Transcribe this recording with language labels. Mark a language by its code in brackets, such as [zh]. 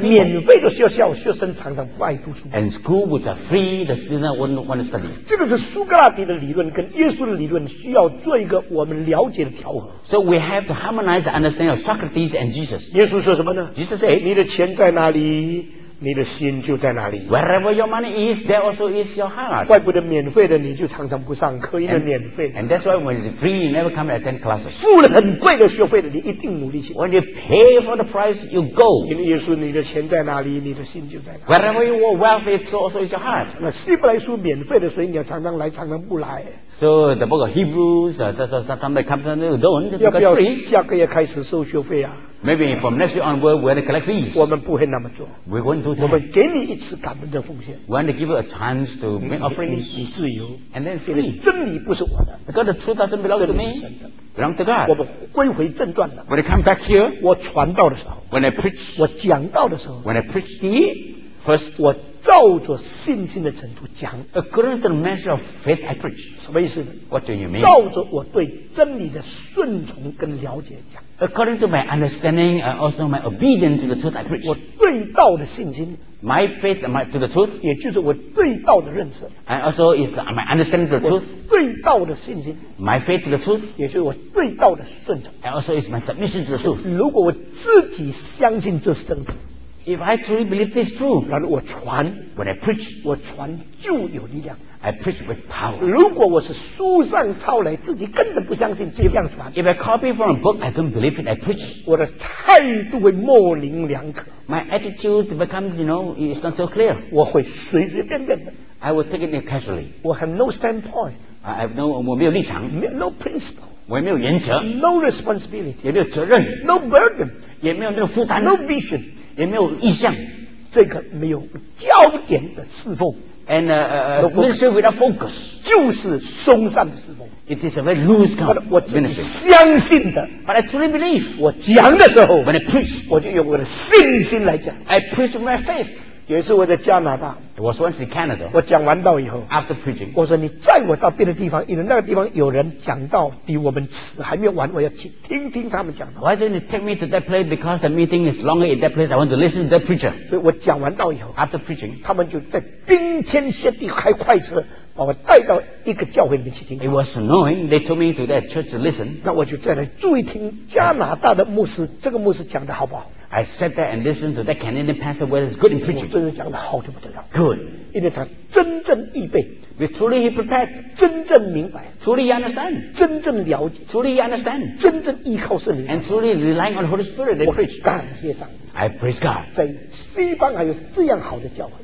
[zh] 免费的学校，学生常常不爱读书。 [en] And school which are free, the student won't want to study. [zh] 这个是苏格拉底的理论跟耶稣的理论需要做一个我们了解的调和。 [en] So we have to harmonize the understanding of Socrates and Jesus. [zh] 耶稣说什么呢？ [en] Jesus said, [zh] 你的钱在哪里？你的心就在哪里。 [en] Wherever your money is, there also is your heart. [zh] 怪不得免费的你就常常不上课，因为免费。 [en] And that's why when it's free, you never come to attend classes. [zh] 付了很贵的学费的你一定努力去。 [en] When you pay for the price, you go. [zh] 因为耶稣，你的钱在哪里，你的心就在哪里。 [en] Wherever your wealth is, also is your heart. [zh] 那希伯来书免费的，所以你要常常来，常常不来。 [en] So the book of Hebrews, sometimes it comes and you don't. [zh] 要不要下个月开始收学费啊？ [en] Maybe from next year onward, we're going to collect fees. [zh] 我们不会那么做。 [en] We won't do that. [zh] 我们给你一次感恩的奉献。 [en] We want to give you a chance to make offerings. [zh] 你自由。 [en] And then free. [zh] 真理不是我的。 [en] Because the truth doesn't belong to me. Belongs to God. [zh] 我们归回正传了。 [en] When I come back here. [zh] 我传道的时候。 [en] When I preach. [zh] 我讲道的时候。 [en] When I preach. [zh] 第一。 [en] First. [zh] 我照着信心的程度讲。 [en] According to the measure of faith I preach. [zh] 什么意思呢？ [en] What do you mean? [zh] 照着我对真理的顺从跟了解讲。 [en] According to my understanding, and also my obedience to the truth I preach. [zh] 我对道的信心。 [en] My faith to the truth. [zh] 也就是我对道的认识。 [en] And also is my understanding to the truth. [zh] 我对道的信心。 [en] My faith to the truth. [zh] 也就是我对道的顺从。 [en] And also is my submission to the truth. [zh] 如果我自己相信这是真理。 [en] If I truly believe this is true. [zh] 然后我传。 [en] When I preach. [zh] 我传就有力量。 [en] I preach with power. [zh] 如果我是书上抄来，自己根本不相信，就这样传。 [en] If I copy from a book, I don't believe it. I preach. [zh] 我的态度会模棱两可。 [en] My attitude becomes, you know, it's not so clear. [zh] 我会随随便便的。 [en] I will take it casually. 我 have no standpoint. I have no, [zh] 我没有立场。 [en] No principle. [zh] 我也没有原则。 [en] No responsibility. [zh] 也没有责任。 [en] No burden. [zh] 也没有那个负担。 [en] No vision. [zh] 也没有意向。这个没有焦点的侍奉。 [en] And ministry without focus. [zh] 就是松散的侍奉。 [en] It is a very loose kind of ministry. [zh] 我自己相信的。 [en] But I truly believe. [zh] 我讲的时候。 [en] When I preach. [zh] 我就用我的信心来讲。 [en] I preach with my faith. [zh] 有一次我在加拿大。 [en] It was once in Canada. [zh] 我讲完道以后。 [en] After preaching. [zh] 我说你载我到别的地方，因为那个地方有人讲道比我们迟，还没有完，我要去听听他们讲道。 [en] Why don't you take me to that place? Because the meeting is longer in that place. I want to listen to that preacher. [zh] 所以我讲完道以后。 [en] After preaching. [zh] 他们就在冰天雪地开快车把我带到一个教会里面去听。 [en] It was snowing. They told me to that church to listen. [zh] 那我就在那注意听加拿大的牧师，这个牧师讲的好不好。 [en] I sat there and listened to that Canadian pastor whether it's good in preaching. [zh] 我真的讲得好得不得了。 [en] Good. [zh] 因为他真正预备。 [en] We truly he prepared. [zh] 真正明白。 [en] Truly understand. [zh] 真正了解。 [en] Truly understand. [zh] 真正依靠圣灵。 [en] And truly relying on the Holy Spirit. [zh] 我会感谢上帝。 [en] I praise God. [zh] 在西方还有这样好的教会。